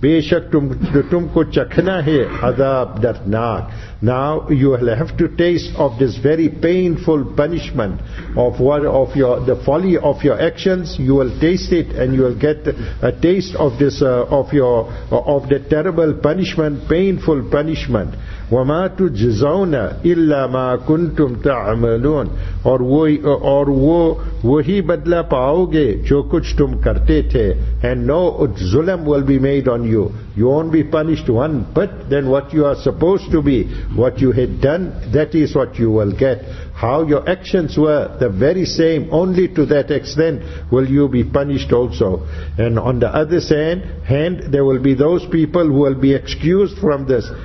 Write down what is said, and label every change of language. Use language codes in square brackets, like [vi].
[ur] Beshak tumko chakhna hai adhab dardnak. [en] Now you will have to taste of this very painful punishment of what of your the folly of your actions. You will taste it, and you will get a taste of this of the terrible punishment, painful punishment. [ar] وَمَا تُجْزَوْنَ إِلَّا مَا كُنْتُمْ تَعْمَلُونَ [ur] اور وہ وہی بدلہ پاؤ گے جو کچھ تم کرتے تھے. [en] And no ظلم will be made on you. You won't be punished one bit than what you are supposed to be. What you had done, that is what you will get. How your actions were, the very same, only to that extent will you be punished also. And on the other hand, there will be those people who will be excused from this.